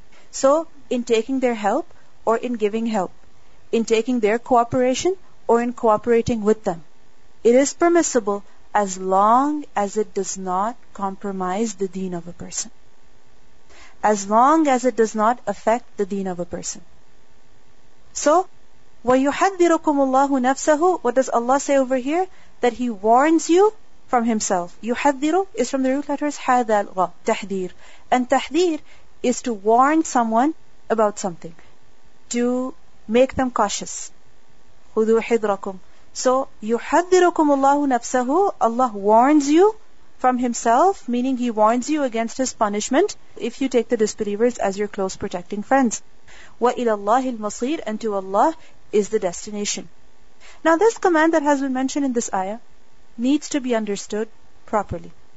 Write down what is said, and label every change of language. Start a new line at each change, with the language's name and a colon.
English: So in taking their help or in giving help, in taking their cooperation or in cooperating with them, it is permissible as long as it does not compromise the deen of a person. As long as it does not affect the deen of a person.
Arabic: So, وَيُحَذِّرُكُمُ اللَّهُ نَفْسَهُ.
English: What does Allah say over here? That He warns you from Himself. يُحَذِّرُ is from the root letters
Arabic: هَذَا الْغَى تَحْذِيرُ.
English: And تَحْذِيرُ is to warn someone about something. To make them cautious.
Arabic: خُذُوا حِذْرَكُمْ. So, يُحَذِّرُكُمُ اللَّهُ نَفْسَهُ.
English: Allah warns you from Himself, meaning He warns you against His punishment if you take the disbelievers as your close protecting friends.
Arabic: وَإِلَى اللَّهِ الْمَصِيرُ,
English: and to Allah is the destination. Now this command that has been mentioned in this ayah needs to be understood properly.